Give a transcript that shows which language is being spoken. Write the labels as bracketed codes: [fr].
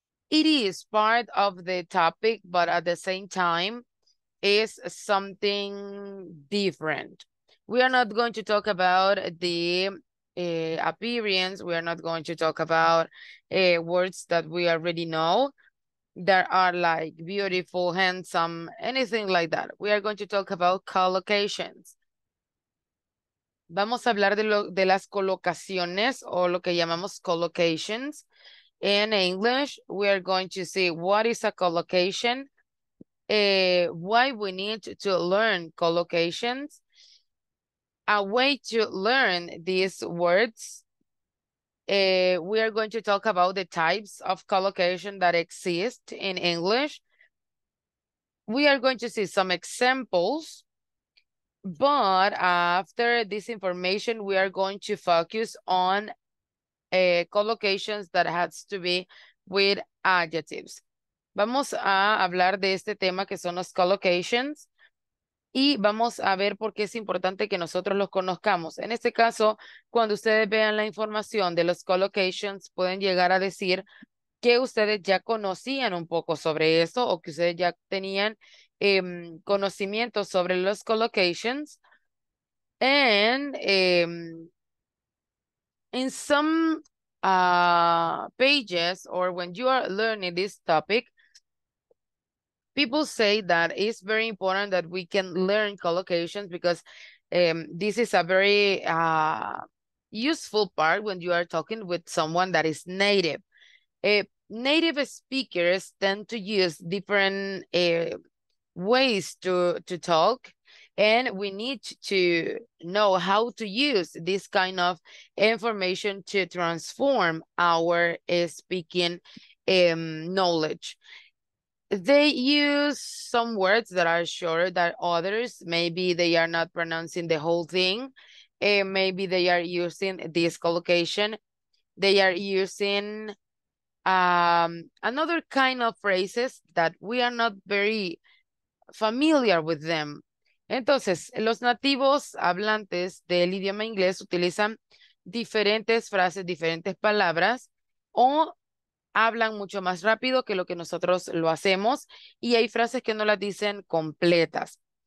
[en] It is part of the topic, but at the same time, is something different. We are not going to talk about the appearance. We are not going to talk about words that we already know that are like beautiful, handsome, anything like that. We are going to talk about collocations. [es] Vamos a hablar de las colocaciones, o lo que llamamos collocations. [en] In English, we are going to see what is a collocation, why we need to learn collocations, a way to learn these words. We are going to talk about the types of collocation that exist in English. We are going to see some examples, but after this information, we are going to focus on collocations that has to be with adjectives. [es] Vamos a hablar de este tema que son los collocations. Y vamos a ver por qué es importante que nosotros los conozcamos. En este caso, cuando ustedes vean la información de los collocations, pueden llegar a decir que ustedes ya conocían un poco sobre eso, o que ustedes ya tenían conocimiento sobre los collocations. [en] And in some pages, or when you are learning this topic, people say that it's very important that we can learn collocations, because this is a very useful part when you are talking with someone that is native. Native speakers tend to use different ways to talk, and we need to know how to use this kind of information to transform our speaking knowledge. They use some words that are shorter than others. Maybe they are not pronouncing the whole thing. Maybe they are using this collocation. They are using another kind of phrases that we are not very familiar with them. [es] Entonces, los nativos hablantes del idioma inglés utilizan diferentes frases, diferentes palabras, o hablan mucho más rápido que lo que nosotros lo hacemos, y hay frases que no las dicen completas.